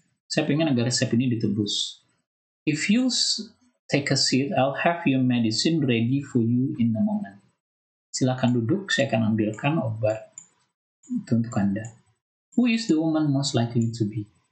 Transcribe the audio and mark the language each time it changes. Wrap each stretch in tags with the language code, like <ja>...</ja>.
<id>Saya ingin agar resep ini ditebus.</id> <en>If you take a seat, I'll have your medicine ready for you in a moment.</en> <id>Silakan duduk, saya akan ambilkan obat untuk Anda.</id> <en>Who is the woman most likely to be?</en>